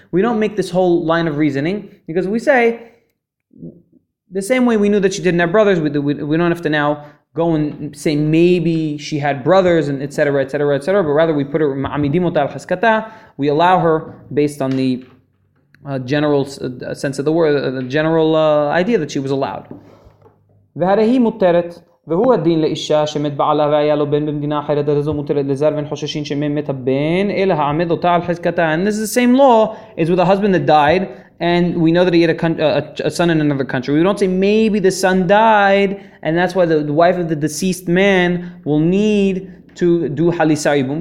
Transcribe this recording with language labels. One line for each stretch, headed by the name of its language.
English: We don't make this whole line of reasoning because we say the same way we knew that she didn't have brothers. We don't have to now go and say maybe she had brothers and etc. etc. etc. But rather we put her
Hebrew: ma'amidimot al haskata.
English: We allow her based on the general sense of the word, the general idea that she was allowed.
Hebrew: V'harehi muteret. והוא הדין לאישה שמת בעלה והיה לו בן במדינה אחרת הרי זו מותרת לזר ואין חוששים שמי מת הבן אלא העמד אותה על חזקתה.
English: And this is the same law is with a husband that died and we know that he had a son in another country. We don't say maybe the son died and that's why the wife of the deceased man will need to do halisar yibum.